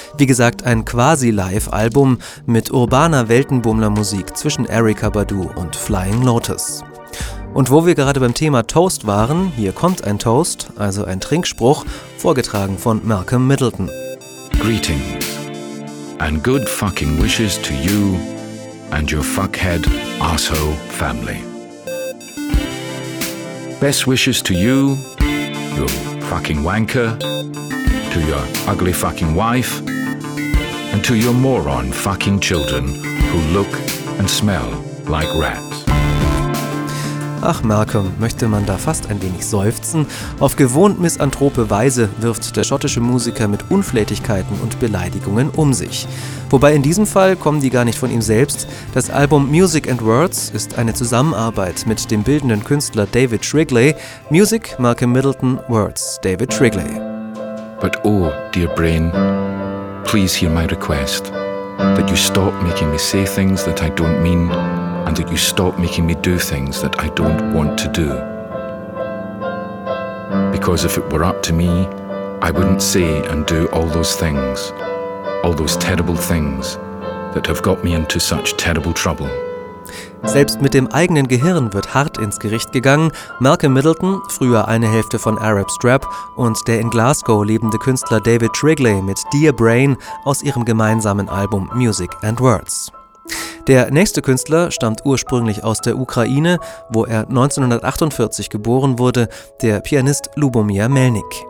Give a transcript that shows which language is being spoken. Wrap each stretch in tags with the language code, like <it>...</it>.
<de>Wie gesagt, ein quasi-Live-Album mit urbaner Weltenbummler-Musik zwischen Erykah Badu und Flying Lotus. Und wo wir gerade beim Thema Toast waren, hier kommt ein Toast, also ein Trinkspruch, vorgetragen von Malcolm Middleton.</de> <en>Greetings. And good fucking wishes to you and your fuckhead asshole family. Best wishes to you, your fucking wanker, to your ugly fucking wife, and to your moron fucking children who look and smell like rats.</en> <de>Ach Malcolm, möchte man da fast ein wenig seufzen? Auf gewohnt misanthrope Weise wirft der schottische Musiker mit Unflätigkeiten und Beleidigungen um sich. Wobei in diesem Fall kommen die gar nicht von ihm selbst. Das Album Music and Words ist eine Zusammenarbeit mit dem bildenden Künstler David Shrigley.</de> <en>Music, Malcolm Middleton, Words, David Shrigley. But oh, dear brain, please hear my request. That you stop making me say things that I don't mean. And that you stop making me do things that I don't want to do. Because if it were up to me, I wouldn't say and do all those things, all those terrible things that have got me into such terrible trouble.</en> <de>Selbst mit dem eigenen Gehirn wird hart ins Gericht gegangen. Malcolm Middleton, früher eine Hälfte von Arab Strap, und der in Glasgow lebende Künstler David Shrigley mit Dear Brain aus ihrem gemeinsamen Album Music and Words. Der nächste Künstler stammt ursprünglich aus der Ukraine, wo er 1948 geboren wurde, der Pianist Lubomir Melnik.</de>